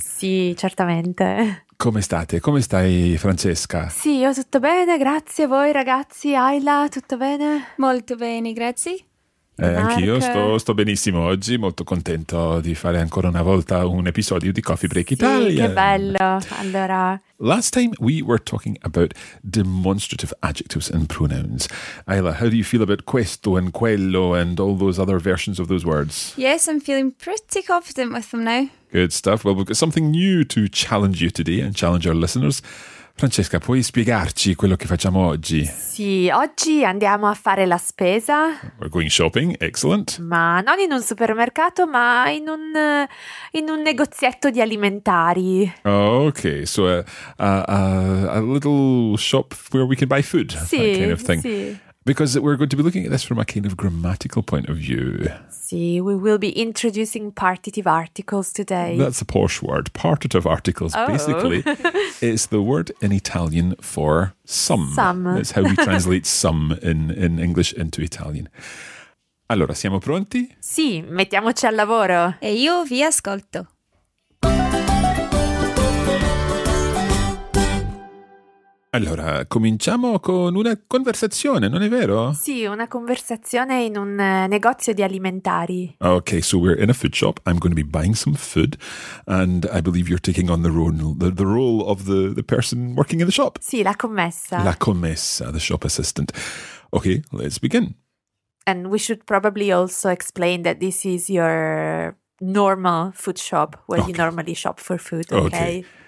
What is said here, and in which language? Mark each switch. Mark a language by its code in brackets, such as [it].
[it] Sì, certamente. Come state? Come stai, Francesca? Sì, io tutto bene, grazie. A voi, ragazzi? Ayla, tutto bene? Molto bene, grazie. Anch'io sto benissimo oggi, molto contento di fare ancora una volta un episodio di Coffee Break Italian. Sì, che bello. Allora, [en] last time we were talking about demonstrative adjectives and pronouns. Ayla, how do you feel about questo and quello and all those other versions of those words? Yes, I'm feeling pretty confident with them now. Good stuff. Well, we've got something new to challenge you today and challenge our listeners. [it] Francesca, puoi spiegarci quello che facciamo oggi? Sì, oggi andiamo a fare la spesa. [en] We're going shopping, excellent. [it] Ma non in un supermercato, ma in un negozietto di alimentari. [en] Oh, ok, so a little shop where we can buy food, [it] sì, [en] that kind of thing. [it] Sì. [en] Because we're going to be looking at this from a kind of grammatical point of view. Sì, we will be introducing partitive articles today. That's a posh word. Partitive articles, oh, basically, is the word in Italian for some. Some. That's how we translate some in English into Italian. [it] Allora, siamo pronti? Sì, mettiamoci al lavoro. E io vi ascolto. Allora, cominciamo con una conversazione, non è vero? Sì, una conversazione in un negozio di alimentari. [en] Okay, so we're in a food shop. I'm going to be buying some food and I believe you're taking on the role of the person working in the shop. [it] Sì, la commessa. La commessa, [en] the shop assistant. Okay, let's begin. And we should probably also explain that this is your normal food shop where you normally shop for food, okay?